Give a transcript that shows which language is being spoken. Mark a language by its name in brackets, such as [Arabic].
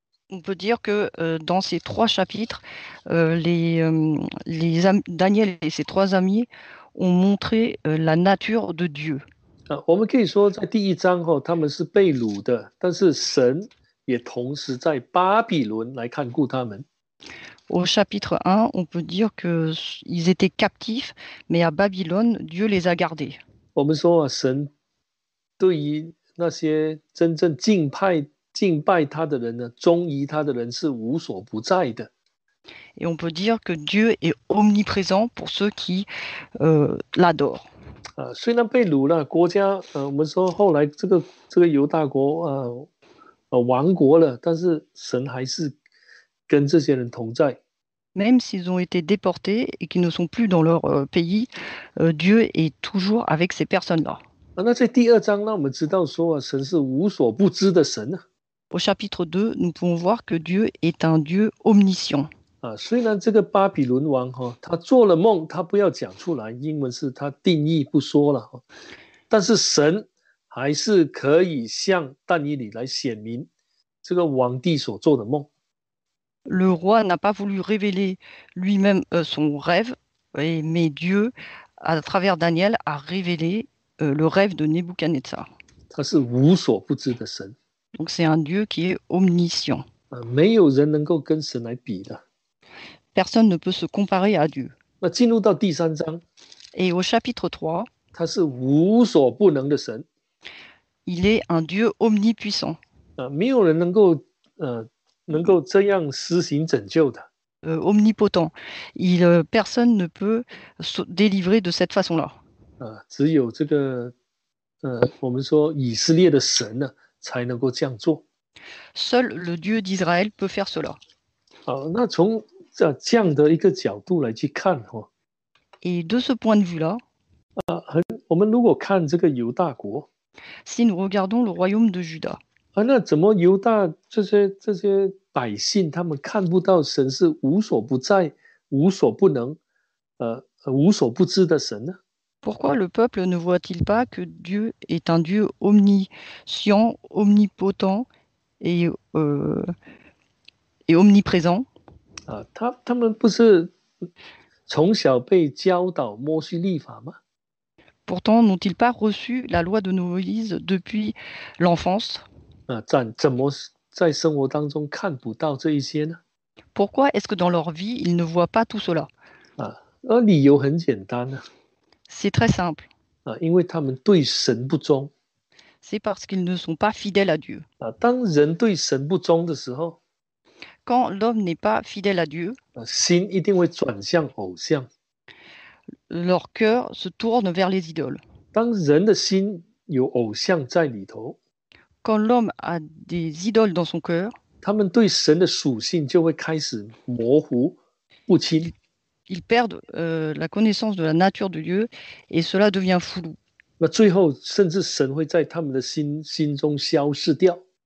[French] On peut dire que dans ces trois chapitres, les Daniel et ses trois amis ont montré la nature de Dieu. [Chinese] 啊、我们可以说在第一章、哦、他们是被掳的，但是神也同时在巴比伦来看顾他们。 [French] Au chapitre 1, on peut dire qu'ils étaient captifs, mais à Babylone, Dieu les a gardés. [Chinese] 我们说、啊、神对于那些真正敬拜他的人呢，忠于他的人是无所不在的。 [French] Et on peut dire que Dieu est omniprésent pour ceux qui l'adorent. [Chinese] 虽然被掳了国家、我们说后来这个犹大国、亡国了，但是神还是跟这些人同在。 [French] Même s'ils ont été déportés et qu'ils ne sont plus dans leur pays, Dieu est toujours avec ces personnes-là. [Chinese] 那在第二章让我们知道说、啊、神是无所不知的神。 [French] Au chapitre 2, nous pouvons voir que Dieu est un Dieu omniscient. [Chinese] 虽然这个巴比伦王、哦、他做了梦，他不要讲出来，英文是他定义不说了，但是神还是可以向但以理来显明这个王帝所做的梦。 [French] Le roi n'a pas voulu révéler lui-même son rêve, mais Dieu, à travers Daniel, a révélé le rêve de Nebuchadnezzar. [Chinese] 他是无所不知的神。 [French] Donc c'est un Dieu qui est omniscient. [Chinese] 没有人能够跟神来比的。 [French] Personne ne peut se comparer à Dieu. [Chinese] 那进入到第三章。 [French] Et au chapitre 3, [Chinese] 他是无所不能的神。 [French] Il est un Dieu omnipuissant. [Chinese] 没有人能够能够这样施行拯救的。 [French] Omnipotent. Personne ne peut se délivrer de cette façon-là. [Chinese] 只有这个我们说以色列的神呢、啊、才能够这样做。 [French] Seul le Dieu d'Israël peut faire cela. [Chinese] 那从这样的一个角度来去看、哦、 [French] Et de ce point de vue-là, [Chinese] 我们如果看这个犹大国 [French] Si nous regardons le royaume de Juda, [Chinese] 那怎么犹大这些百姓他们看不到神是无所不在、无所不能、无所不知的神呢？ [French] Pourquoi le peuple ne voit-il pas que Dieu est un Dieu omniscient, omnipotent et omniprésent? [Chinese] 他们不是从小被教导摩西律法吗？ [French] Pourtant, n'ont-ils pas reçu la loi de Moïse depuis l'enfance? [Chinese] 怎么在生活当中看不到这一些呢？ [French] Pourquoi est-ce que dans leur vie, ils ne voient pas tout cela? [Chinese] 理由很简单、啊、 [French] C'est très simple. [Chinese] 因为他们对神不忠。 [French] C'est parce qu'ils ne sont pas fidèles à Dieu. [Chinese] 当人对神不忠的时候， [French] Quand l'homme n'est pas fidèle à Dieu, [Chinese] 心一定会转向偶像。 [French] Leur cœur se tourne vers les idoles. [Chinese] 当人的心有偶像在里头， [French] Quand l'homme a des idoles dans son cœur, [Chinese] 他们对神的属性就会开始模糊不清。 [French] Ils perdent la connaissance de la nature de Dieu et cela devient flou. [Chinese] 那最后甚至神会在他们的心中消失掉。